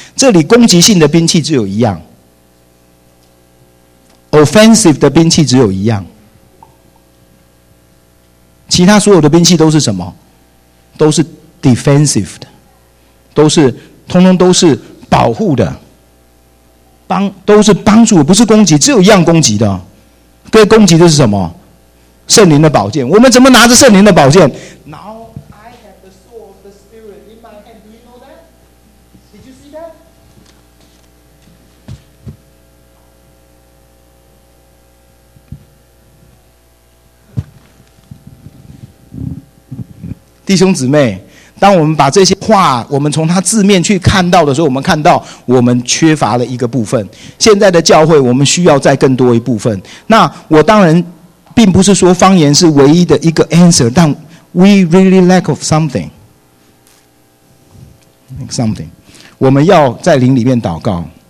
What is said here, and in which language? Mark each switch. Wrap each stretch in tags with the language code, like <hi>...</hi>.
<zh>这里攻击性的兵器只有一样， offensive 的兵器只有一样，其他所有的兵器都是什么？都是 defensive 的，都是通通都是保护的，都是帮助，不是攻击，只有一样攻击的。被攻击的是什么？圣灵的宝剑。我们怎么拿着圣灵的宝剑？</zh> <en>Now I have the sword of the spirit in my hand. Do you know that? Did you see that?</en> <zh>弟兄姊妹，当我们把这些话我们从他字面去看到的时候，我们看到我们缺乏了一个部分，现在的教会我们需要再更多一部分。那我当然并不是说方言是唯一的一个 answer， 但</zh> <en>we really lack of something，</en> <zh>我们要在灵里面祷告。</zh>